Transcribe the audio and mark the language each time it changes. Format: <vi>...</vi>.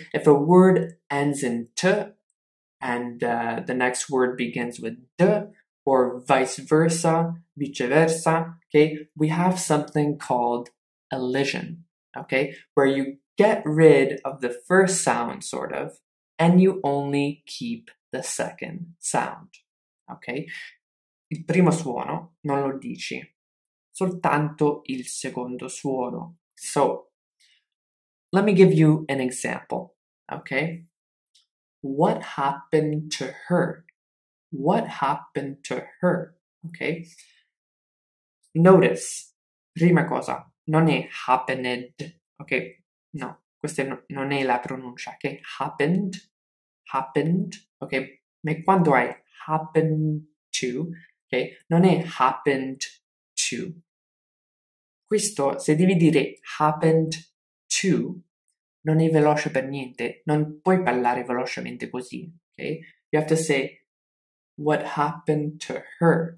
<en>If a word ends in t and the next word begins with d, or viceversa, okay, we have something called elision, okay, where you get rid of the first sound, sort of, and you only keep the second sound, okay?</en> <it>Il primo suono non lo dici, soltanto il secondo suono.</it> <en>So, let me give you an example, okay? What happened to her? What happened to her? Okay. Notice,</en> <it>prima cosa, non è happened. Okay. No, questa non è la pronuncia. Okay. Happened.</it> <en>Okay.</en> <it>Ma quando</it> <en>I happen to,</en> <it>okay, non è happened to. Questo, se devi dire happened to, non è veloce per niente. Non puoi parlare velocemente così. Okay.</it> <en>You have to say, what happened to her?</en>